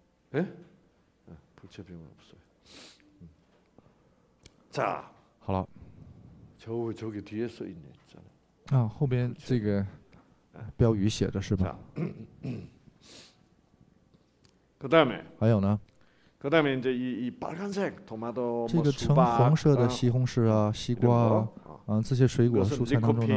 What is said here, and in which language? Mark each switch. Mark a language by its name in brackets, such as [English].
[Chinese] 哎，不治病无所谓。자，好了。 [Korean] 저기뒤에서있네 [Chinese] 啊，后边这个标语写的是吧？ [Korean] 그다음에 [Chinese] 还有呢？ [Korean] 그다음에이제이빨간색토마토 [Chinese] 这个橙黄色的西红柿啊，西瓜啊，啊这些水果蔬菜当中呢，